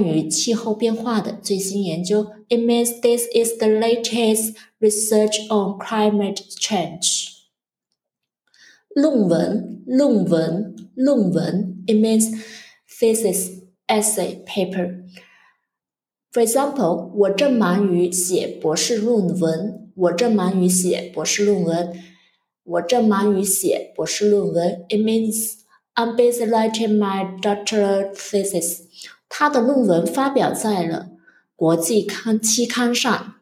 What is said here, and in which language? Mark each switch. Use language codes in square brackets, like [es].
[zh] 这是关于气候变化的最新研究。 [en] It means this is the latest research on climate change. 论文, it means thesis, essay, paper. For example, [zh] 我正忙于写博士论文。 [en] It means I'm busy writing my doctoral thesis. [zh] 他的论文发表在了国际期刊上。